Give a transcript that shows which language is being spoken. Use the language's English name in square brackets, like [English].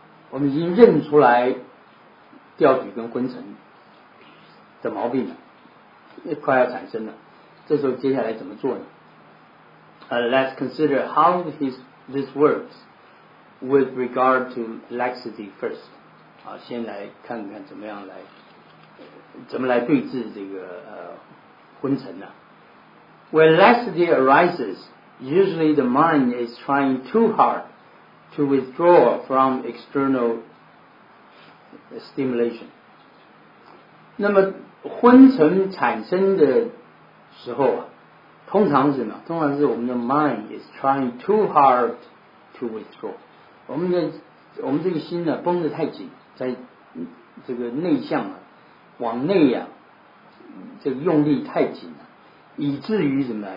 [Chinese] 我们已经认出来吊举跟昏沉的毛病了，快要产生了，这时候接下来怎么做呢？ [English] Let's consider how this works with regard to laxity first. [Chinese] 好，先来看看怎么来对治这个昏沉呢？ [English] When laxity arises, usually the mind is trying too hardto withdraw from external stimulation. [Chinese] 那么昏沉产生的时候啊，通常是什么？通常是我们的 [English] mind is trying too hard to withdraw. [Chinese] 我们这个心呢、啊、绷得太紧，在这个内向啊，往内啊，这个用力太紧了，以至于什么？